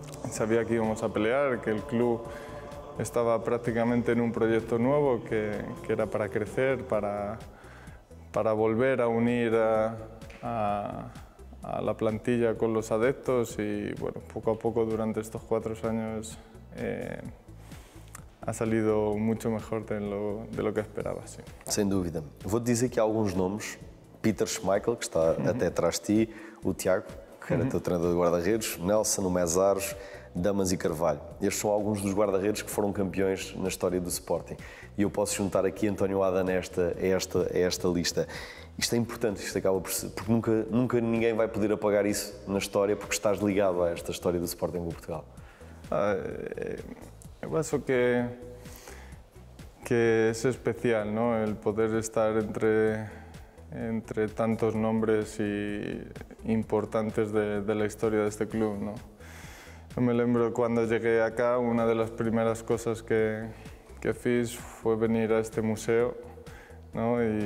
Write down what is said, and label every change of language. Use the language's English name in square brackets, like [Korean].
[Spanish] Sabía que íbamos a pelear, que el club estaba prácticamente en un proyecto nuevo, que era para crecer, para volver a unir a la plantilla con los adeptos y, bueno, poco a poco durante estos 4 años ha salido mucho mejor de lo que esperaba, sí. [Portuguese] Sem dúvida. Vou dizer que há alguns nomes, Peter Schmeichel, que está até atrás de ti, o Tiago, que era teu treinador de guarda-redes, Nelson, o Mesares, Damas e Carvalho. Estes são alguns dos guarda-redes que foram campeões na história do Sporting. E eu posso juntar aqui António Adam a esta lista. Isto é importante, isto acaba por ser, porque nunca ninguém vai poder apagar isso na história, porque estás ligado a esta história do Sporting em Portugal. Eu acho que é especial, não? O poder estar [Spanish] entre tantos nombres y importantes de la historia de este club, ¿no? Yo me lembro cuando llegué acá, una de las primeras cosas que fiz fue venir a este museo, ¿no?